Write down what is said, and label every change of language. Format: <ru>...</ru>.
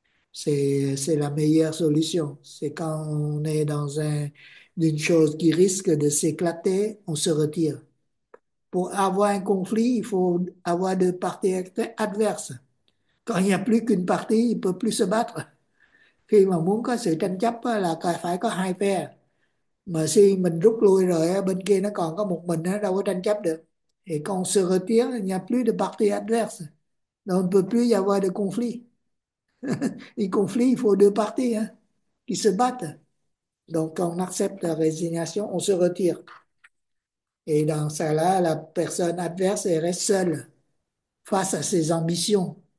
<fr>C'est la meilleure solution. C'est quand on est dans une chose qui risque de s'éclater, on se retire. Pour avoir un conflit, il faut avoir deux parties adverses. Quand il n'y a plus qu'une partie, il ne peut plus se battre.</fr> <vi>Khi mà muốn có sự tranh chấp là phải có hai phe. Mà</vi> <fr>si</fr> <vi>mình rút lui rồi, bên kia nó còn có một mình, nó đâu có tranh chấp được.</vi> <fr>Et quand on se retire, il n'y a plus de partie adverse. Donc, on ne peut plus avoir de conflit. Les conflits, il faut deux parties hein, qui se battent. Donc, on accepte la résignation, on se retire. Et dans ça là, la personne adverse elle reste seule face à ses ambitions.</fr>